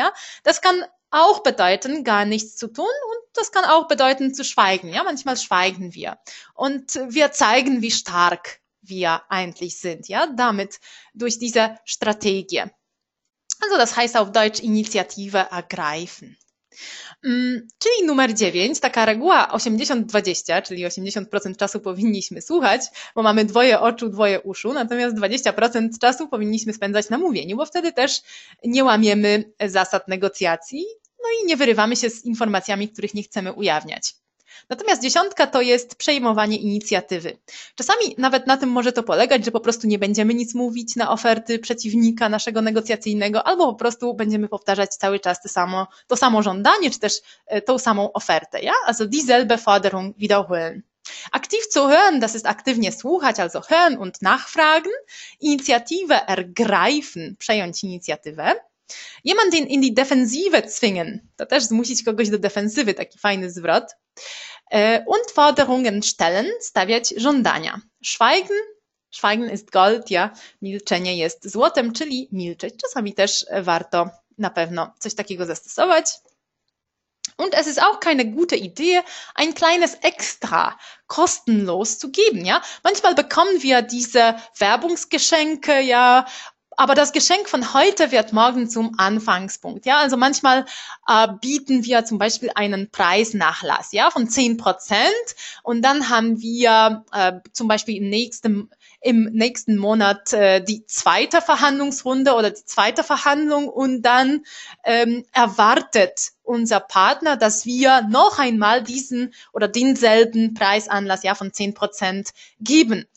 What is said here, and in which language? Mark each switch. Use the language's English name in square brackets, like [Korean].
[German] Ja, das kann auch bedeuten, gar nichts zu tun, und das kann auch bedeuten, zu schweigen. Ja, manchmal schweigen wir und wir zeigen, wie stark wir eigentlich sind. Ja, damit durch diese Strategie. Also das heißt auf Deutsch Initiative ergreifen. [Polish] Czyli numer 9, taka reguła 80-20, czyli 80% czasu powinniśmy słuchać, bo mamy dwoje oczu, dwoje uszu, natomiast 20% czasu powinniśmy spędzać na mówieniu, bo wtedy też nie łamiemy zasad negocjacji, no i nie wyrywamy się z informacjami, których nie chcemy ujawniać. Natomiast 10 to jest przejmowanie inicjatywy. Czasami nawet na tym może to polegać, że po prostu nie będziemy nic mówić na oferty przeciwnika naszego negocjacyjnego, albo po prostu będziemy powtarzać cały czas to samo żądanie, czy też tą samą ofertę, ja? [German] Also dieselbe Forderung wiederholen. Aktiv zuhören, das ist [Polish] aktywnie słuchać, [German] also hören und nachfragen. Initiative ergreifen, [Polish] przejąć inicjatywę. [German] Jemanden in die Defensive zwingen, [Polish] to też zmusić kogoś do defensywy, taki fajny zwrot. [German] Und Forderungen stellen, [Polish] stawiać żądania. [German] Schweigen ist Gold, ja, [Polish] milczenie jest złotem, czyli milczeć. Czasami też warto na pewno coś takiego zastosować. [German] Und es ist auch keine gute Idee, ein kleines Extra kostenlos zu geben, ja. Manchmal bekommen wir diese Werbungsgeschenke, ja, aber das Geschenk von heute wird morgen zum Anfangspunkt, ja. Also manchmal bieten wir zum Beispiel einen Preisnachlass, ja, von 10%, und dann haben wir zum Beispiel im nächsten Monat die zweite Verhandlungsrunde oder die zweite Verhandlung, und dann erwartet unser Partner, dass wir noch einmal diesen oder denselben Preisanlass, ja, von 10% geben.